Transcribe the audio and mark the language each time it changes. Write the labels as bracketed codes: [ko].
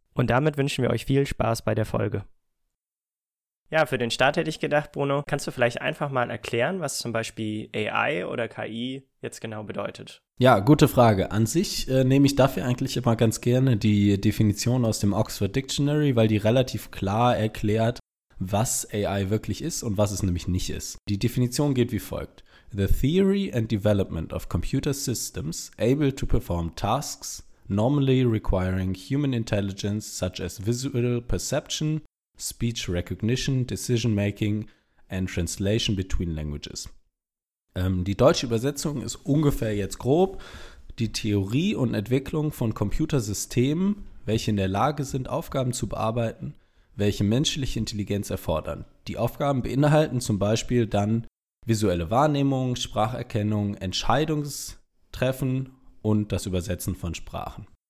[de] Und damit wünschen wir euch viel Spaß bei der Folge. Ja, für den Start hätte ich gedacht, Bruno, kannst du vielleicht einfach mal erklären, was zum Beispiel AI oder KI jetzt genau bedeutet? Ja, gute Frage. An sich nehme ich dafür eigentlich immer ganz gerne die Definition aus dem Oxford Dictionary, weil die relativ klar erklärt, was AI wirklich ist und was es nämlich nicht ist. Die Definition geht wie folgt. [en] The theory and development of computer systems able to perform tasks normally requiring human intelligence such as visual perception, speech recognition, decision making and translation between languages. [de] Die deutsche Übersetzung ist ungefähr jetzt grob die Theorie und Entwicklung von Computersystemen, welche in der Lage sind, Aufgaben zu bearbeiten, welche menschliche Intelligenz erfordern. Die Aufgaben beinhalten zum Beispiel dann visuelle Wahrnehmung, Spracherkennung, Entscheidungstreffen und das Übersetzen von Sprachen.